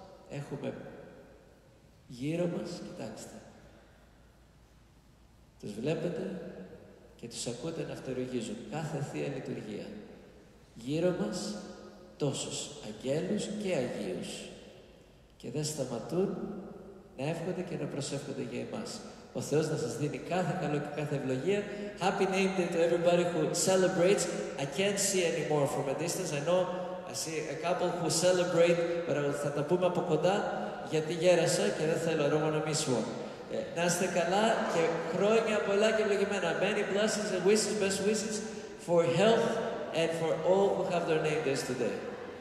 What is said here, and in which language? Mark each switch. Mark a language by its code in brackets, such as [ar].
[el] Έχουμε γύρω μας, κοιτάξτε, τους βλέπετε και τους ακούτε να φτερουγίζουν κάθε Θεία Λειτουργία. Γύρω μας τόσους αγγέλους και αγίους και δεν σταματούν να εύχονται και να προσεύχονται για εμάς. Ο Θεός να σας δίνει κάθε καλό και κάθε ευλογία. [en] Happy name day to everybody who celebrates. I can't see anymore from a distance. I know I see a couple who celebrate, but [el] θα τα πούμε από κοντά, γιατί γέρασα και δεν θέλω, [en] I don't want to miss one. [el] Να είστε καλά και χρόνια πολλά και ευλογημένα. [en] Many blessings and wishes, best wishes for health and for all who have their name days today.